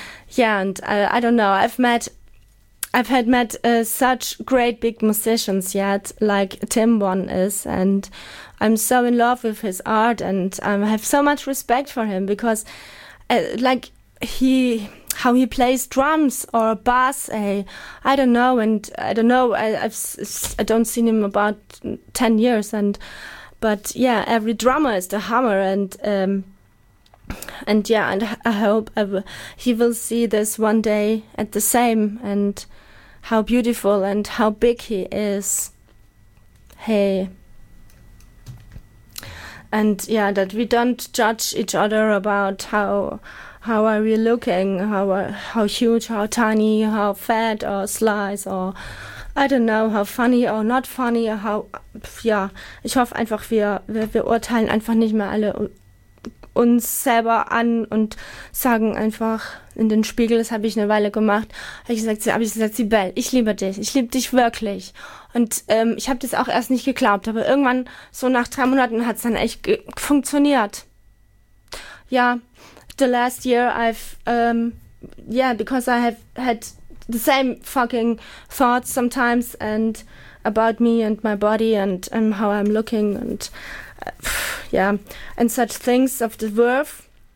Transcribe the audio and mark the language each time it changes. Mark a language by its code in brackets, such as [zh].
[en] Yeah, and I don't know, I've had met such great big musicians yet, like Tim one is, and I'm so in love with his art, and I have so much respect for him, because, like, how he plays drums or bass, I don't know, I don't see him about 10 years, and But yeah, every drummer is the hammer, and yeah, and I hope he will see this one day at the same, and how beautiful and how big he is. Hey. And yeah, that we don't judge each other about how are we looking, how huge, how tiny, how fat or slice, or I don't know, how funny or not funny, or how, [de] ja, ich hoffe einfach, wir urteilen einfach nicht mehr alle uns selber an und sagen einfach in den Spiegel, das habe ich eine Weile gemacht, habe ich gesagt, Sibel, ich liebe dich, wirklich. Und ich habe das auch erst nicht geglaubt, aber irgendwann, so nach 3 Monaten, hat es dann echt funktioniert. [en] Ja, the last year I've, yeah, because I have had the same fucking thoughts sometimes, and about me and my body and how I'm looking and yeah, and such things of the worth.